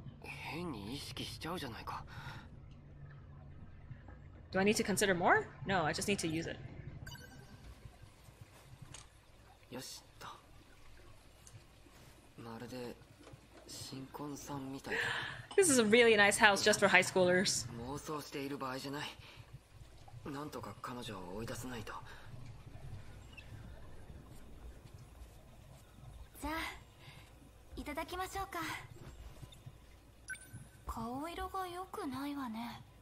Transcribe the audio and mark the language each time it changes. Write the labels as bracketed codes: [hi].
[ja] 変に意識しちゃうじゃないか。 [en] Do I need to consider more? No, I just need to use it. [ja] よしっと。まるで新婚さんみたい。 [en] This is a really nice house just for high schoolers. [ja] 妄想している場合じゃない。なんとか彼女を追い出さないと。さあ、きましょうか。顔色が良くないわね。